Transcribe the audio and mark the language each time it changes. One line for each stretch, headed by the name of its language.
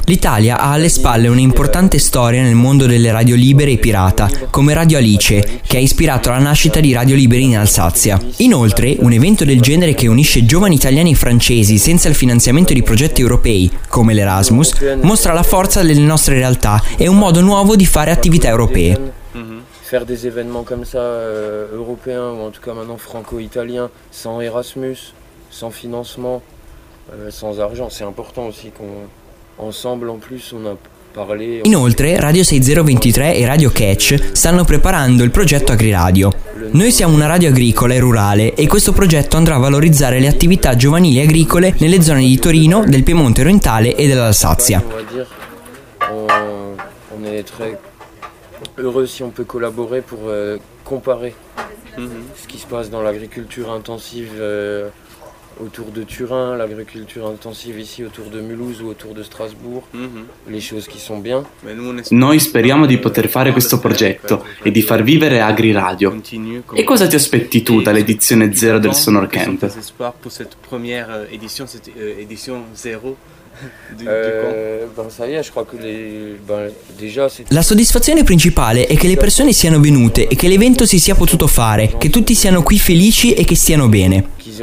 Italian: L'Italia ha alle spalle un'importante storia nel mondo delle radio libere e pirata, come Radio Alice, che ha ispirato la nascita di Radio Libere in Alsazia. Inoltre, un evento del genere che unisce giovani italiani e francesi senza il finanziamento di progetti europei, come l'Erasmus, mostra la forza delle nostre realtà e un modo nuovo di fare attività europee.
French: Faire des événements comme ça européens ou en tout cas maintenant franco-italien sans Erasmus, sans financement, sans argent, c'est important aussi qu'on ensemble en plus on a parlé.
Italian: Inoltre, Radio 6023 e Radio Catch stanno preparando il progetto AgriRadio. Noi siamo una radio agricola e rurale e questo progetto andrà a valorizzare le attività giovanili agricole nelle zone di Torino, del Piemonte orientale e dell'Alsazia.
French: On est très heureux si on peut collaborer pour comparer ce qui se passe dans l'agriculture intensive autour de Turin, l'agriculture intensive ici autour de Mulhouse ou autour de Strasbourg, les choses qui sont bien.
Italian: Noi speriamo di poter fare questo progetto e di far vivere AgriRadio. E cosa ti aspetti tu dall'edizione zero del Sonor Camp?
French: Pour cette première édition, cette édition zéro.
Italian: La soddisfazione principale è che le persone siano venute e che l'evento si sia potuto fare, che tutti siano qui felici e che stiano bene.